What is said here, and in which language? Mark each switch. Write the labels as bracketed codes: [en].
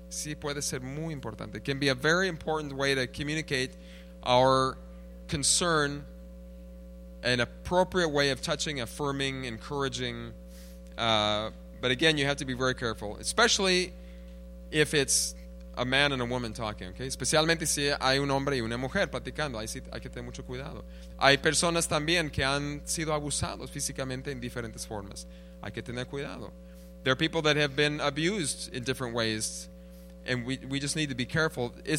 [es] Sí puede ser muy importante. [en] Can be a very important way to communicate our concern, an appropriate way of touching, affirming, encouraging. But again, you have to be very careful, especially if it's a man and a woman talking, okay? [es] Especialmente si hay un hombre y una mujer platicando, ahí sí hay que tener mucho cuidado. Hay personas también que han sido abusados físicamente en diferentes formas. Hay que tener cuidado. [en] There are people that have been abused in different ways, and we just need to be careful.